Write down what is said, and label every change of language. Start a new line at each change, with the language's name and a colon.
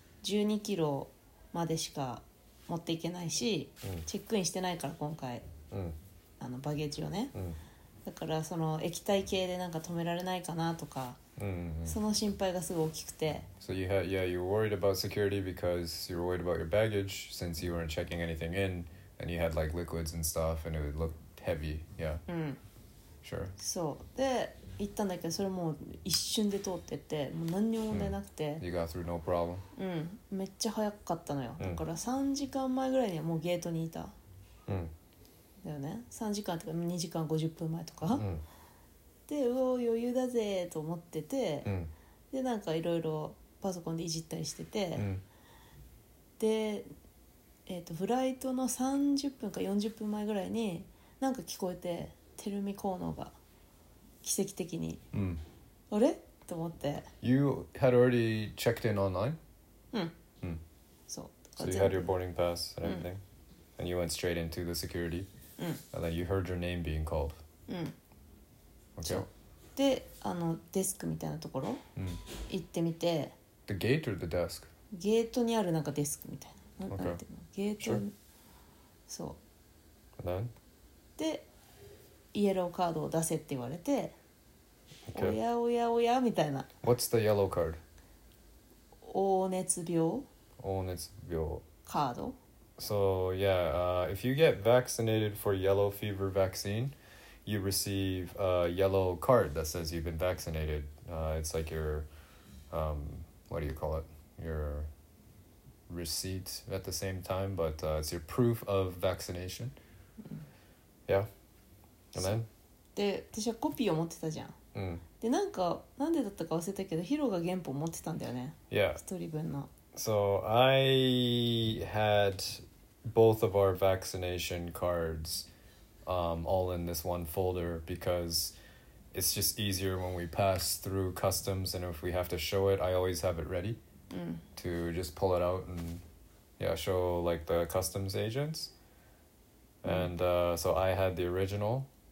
Japanese: 12キロまでしか持っていけないし、チェックインしてないから今回、あのバゲージをね、だからその液体系でなんか止められないかなとか、その心配がすごい大きくて。
English: So you had, yeah, you were worried about security because you were worried about your baggage since you weren't checking anything in and you had like liquids and stuff and it would look heavy, yeah. Sure.
Japanese: そう。で、行ったんだけどそれもう一瞬で通ってて、もう何にも問題なくて。
English: You got through no problem.
Japanese: めっちゃ早かったのよ。だから3時間前ぐらいにはもうゲートにいた。だよね。 3時間とか2時間50分前とか。で、うお余裕だぜと思ってて、でなんかいろいろパソコンでいじったりしてて、で、フライトの30分か40分前ぐらいになんか聞こえて、テルミコーノが奇跡的に、あれと思って、
English: You had already checked in online?
Japanese: そう、
English: So you had your boarding pass and everything、and you went straight into the security、and then you heard your name being called、Okay.
Japanese: で、あのデスクみたいなところ、行ってみて、
English: The gate or the desk?
Japanese: ゲートにあるなんかデスクみたいな、なんていうの、ゲート、そう。
English: And then?
Japanese: で、イエローカードを出せって言われて、おやおやおやみたいな。
English: What's the yellow card?
Japanese: 黄熱病。黄熱病。カード。
English: So yeah, if you get vaccinated for yellow fever vaccine. You receive a yellow card that says you've been vaccinated. It's like your, what do you call it? Your receipt at the same time, but it's your proof of vaccination. Yeah. And then?
Japanese: で、私はコピーを持ってたじゃん。で、なんか、なんでだったか忘れたけど、ヒロが原本持ってたんだよね。
English: Yeah.
Japanese: 一人分の。
English: So I had both of our vaccination cards. All in this one folder because it's just easier when we pass through customs and if we have to show it, I always have it ready、to just pull it out and yeah, show like the customs agents、and so I had the original、